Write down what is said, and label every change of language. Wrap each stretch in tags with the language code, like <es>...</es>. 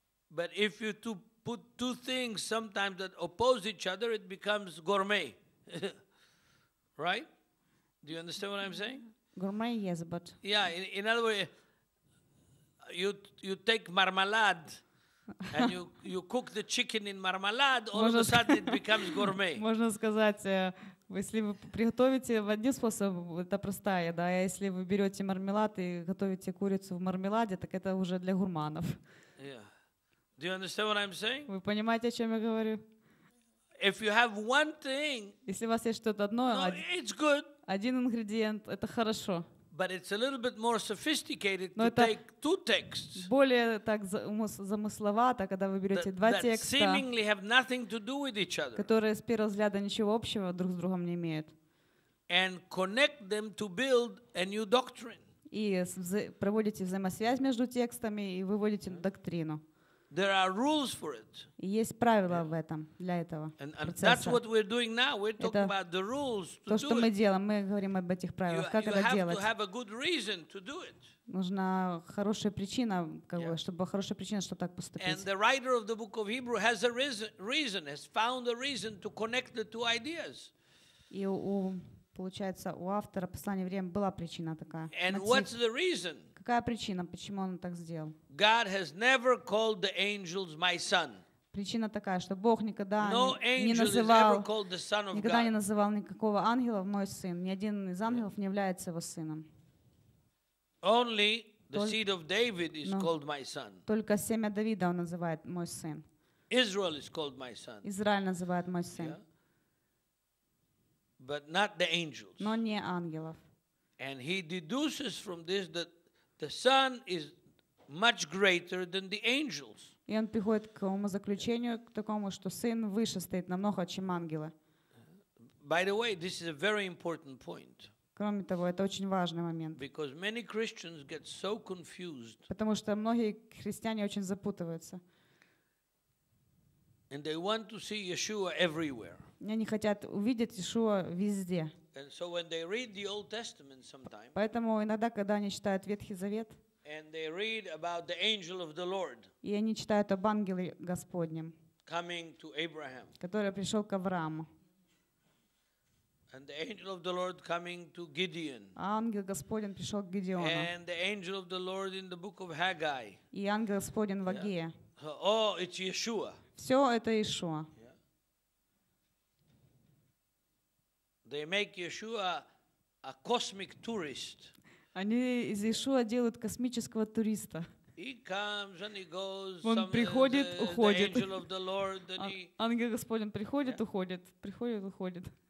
<en>But if you to put two things sometimes that oppose each other, it becomes gourmet. Right? Do you understand what I'm saying? Gourmet, yes, but... Yeah, in other words, you take marmalade and you cook the chicken in marmalade, all of a sudden it becomes gourmet.</en> <ru>Можно сказать... Если вы приготовите в один способ, это простая еда, а если вы берете мармелад и готовите курицу в мармеладе, так это уже для гурманов.</ru> <en>Yeah. Do you understand what I'm saying?</en> <ru>Вы понимаете, о чем я говорю?</ru> <en>If you have one thing,</en> <ru>если у вас есть что-то одно,</ru> <en>no, it's good,</en> <ru>один ингредиент, это хорошо.</ru> <en>But it's a little bit more sophisticated to take two texts.</en> <ru>Более так замысловато, когда вы берете два текста,</ru> <en>seemingly have nothing to do with each other.</en> <ru>Которые с первого взгляда ничего общего друг с другом не имеют.</ru> <en>And connect them to build a new doctrine.</en> <ru>И проводите взаимосвязь между текстами и выводите доктрину.</ru> <en>There are rules for it.</en> <ru>Есть правила в этом для этого процесса.</ru> <en>And that's what we're doing now. We're talking about the rules to do it.</en> <ru>То, что мы делаем, мы говорим об этих правилах, как это делать.</ru> <en>You have to have a good reason to do it.</en> <ru>Нужна хорошая причина, чтобы была хорошая причина, чтобы так поступить.</ru> <en>And the writer of the book of Hebrew has a reason, has found a reason to connect the two ideas.</en> <ru>И получается, у автора послания евреям была причина такая.</ru> <en>And what's the reason?</en> <ru>Какая причина, почему он так сделал?</ru> <en>God has never called the angels my son.</en> <ru>Причина такая, что Бог никогда</ru> <en>no</en> <ru>не называл,</ru> <en>the son of</en> <ru>никогда</ru> <en>God.</en> <ru>Не называл никакого ангела в мой сын. Ни один из ангелов не является его сыном.</ru> <en>Only the seed of David is called my son.</en> <ru>Только семя Давида он называет мой сын.</ru> <en>Israel is called my son.</en> <ru>Израиль называет мой сын.</ru> <en>But not the angels.</en> <ru>Но не ангелов.</ru> <en>And he deduces from this that the son is much greater than the angels.</en> <ru>И он приходит к такому заключению, к такому, что сын выше стоит намного, чем ангелы.</ru> <en>By the way, this is a very important point.</en> <ru>Кроме того, это очень важный момент.</ru> <en>Because many Christians get so confused.</en> <ru>Потому что многие христиане очень запутываются.</ru> <en>And they want to see Yeshua everywhere.</en> <ru>Они хотят увидеть Иешуа везде.</ru> <en>And so when they read the Old Testament sometimes,</en> <ru>поэтому иногда, когда они читают Ветхий Завет,</ru> <en>and they read about the angel of the Lord,</en> <ru>и они читают об ангеле Господнем,</ru> <en>coming to Abraham,</en> <ru>который пришел к Аврааму,</ru> <en>and the angel of the Lord coming to Gideon,</en> <ru>а ангел Господень пришел к Гедеону,</ru> <en>and the angel of the Lord in the book of Haggai,</en> <ru>и ангел Господень в Агее.</ru> <en>Oh, it's Yeshua.</en> <ru>Все это Иешуа.</ru> <en>They make Yeshua a cosmic tourist.</en> <ru>Они из Иешуа делают космического туриста.</ru> <en>He comes and he goes.</en> <ru>Он приходит, уходит.</ru> <en>The angel of the Lord, then he.</en> <ru>Ангел Господень приходит, уходит, приходит, уходит.</ru>